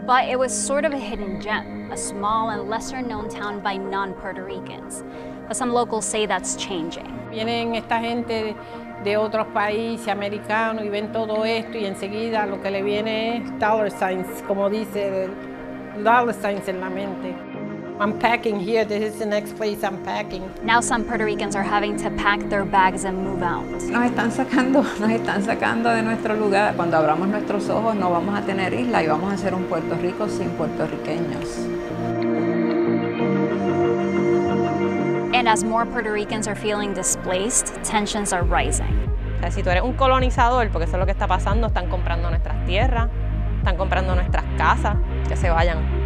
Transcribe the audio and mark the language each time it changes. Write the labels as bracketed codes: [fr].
[en] But it was sort of a hidden gem, a small and lesser known town by non-Puerto Ricans. But some locals say that's changing. [es] Vienen esta gente de otros países americanos y ven todo esto y enseguida lo que le viene es [en] dollar signs, [es] como dice, dollar signs en la mente. [en] I'm packing here, this is the next place I'm packing. Now some Puerto Ricans are having to pack their bags and move out. [es] Nos están sacando de nuestro lugar. Cuando abramos nuestros ojos no vamos a tener isla y vamos a ser un Puerto Rico sin puertorriqueños. [en] And as more Puerto Ricans are feeling displaced, tensions are rising. [es] O sea, si tú eres un colonizador, porque eso es lo que está pasando, están comprando nuestras tierras, están comprando nuestras casas, que se vayan.